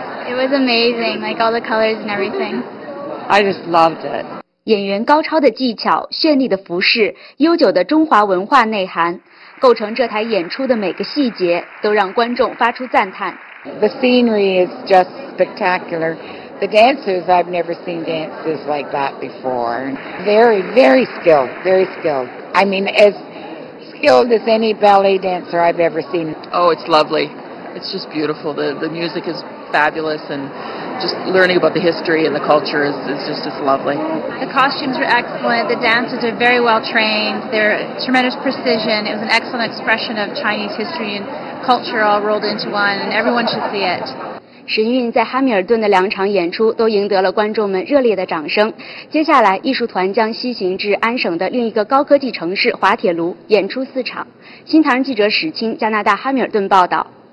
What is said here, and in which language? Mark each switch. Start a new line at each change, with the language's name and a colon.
English: It was amazing, like all the colors and everything. I just loved it.
Chinese: 演员高超的技巧，绚丽的服饰，悠久的中华文化内涵。构成这台演出的每个细节都让观众发出赞叹。
English: The scenery is just spectacular. The dancers, I've never seen dances like that before. Very, very skilled, very skilled. I mean, as skilled as any ballet dancer I've ever seen. Oh, it's lovely. It's just beautiful. The music is fabulous and just learning about the history and the culture is just as lovely. The costumes are excellent. The dancers are very well trained. They're tremendous precision. It was an excellent expression of Chinese history and culture all rolled into one, and everyone should see it.
Chinese: 石英韵在哈密尔顿的两场演出都赢得了观众们热烈的掌声。接下来，艺术团将西行至安省的另一个高科技城市滑铁卢演出四场。新唐人记者史清，加拿大哈密尔顿报道。